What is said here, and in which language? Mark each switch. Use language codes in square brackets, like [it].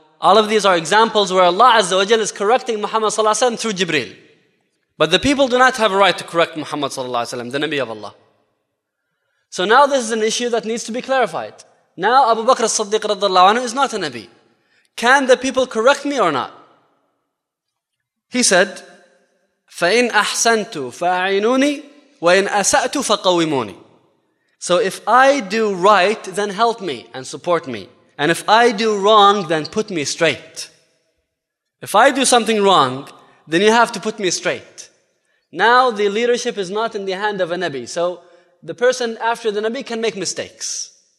[en] All of these are examples where Allah Azza wa Jalla is correcting Muhammad sallallahu alaihi wasallam through Jibril. But the people do not have a right to correct Muhammad sallallahu alaihi wasallam, the Nabi of Allah. So now this is an issue that needs to be clarified. Now Abu Bakr as-Siddiq radhiyallahu anhu is not a Nabi. Can the people correct me or not? He said, [ar] فَإِنْ أَحْسَنْتُ فَأَعِنُونِي وَإِنْ أَسَأْتُ فَقَوِّمُونِي. [en] So if I do right, then help me and support me. And if I do wrong, then put me straight. If I do something wrong, then you have to put me straight. Now the leadership is not in the hand of a Nabi. So the person after the Nabi can make mistakes.